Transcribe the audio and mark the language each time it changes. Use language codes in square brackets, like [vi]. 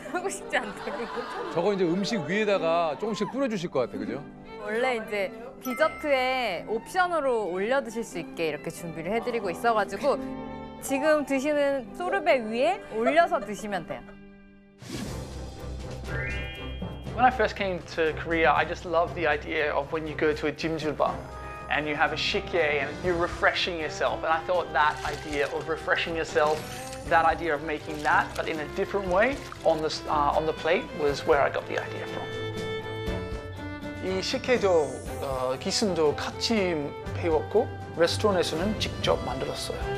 [ko] 하고 싶지 않다고. 저거 이제 음식 위에다가 조금씩 뿌려주실 것 같아, 그죠? 원래 이제 디저트에 옵션으로 올려 드실 수 있게 이렇게 준비를 해드리고 있어가지고 지금 드시는 소르베 위에 올려서 드시면 돼요. [en] When I first came to Korea, I just loved the idea of when you go to a jjimjilbap and you have a sikkye and you're refreshing yourself. And I thought that idea of refreshing yourself, that idea of making that, but in a different way on the plate was where I got the idea from. [ko] 이 sikkye도 기순도 같이 배웠고 레스토랑에서는 직접 만들었어요.